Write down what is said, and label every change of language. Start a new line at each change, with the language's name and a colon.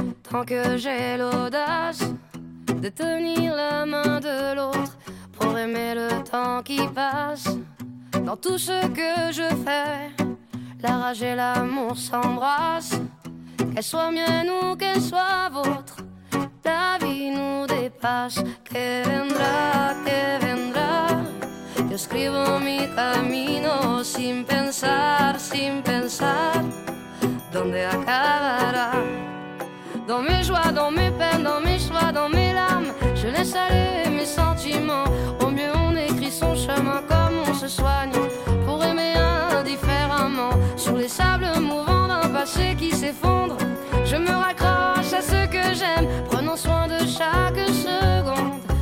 French: Tant que j'ai l'audace de tenir la main de l'autre pour aimer le temps qui passe. Dans tout ce que je fais, la rage et l'amour s'embrassent. Qu'elle soit mienne ou qu'elle soit vôtre, la vie nous dépasse.
Spanish: Que vendrá, que vendrá. Yo escribo mi camino sin pensar, sin pensar. ¿Dónde acabará?
French: Dans mes joies, dans mes peines, dans mes choix, dans mes larmes, je laisse aller mes sentiments. Au mieux on écrit son chemin comme on se soigne, pour aimer indifféremment. Sur les sables mouvants d'un passé qui s'effondre, je me raccroche à ce que j'aime, prenant soin de chaque seconde.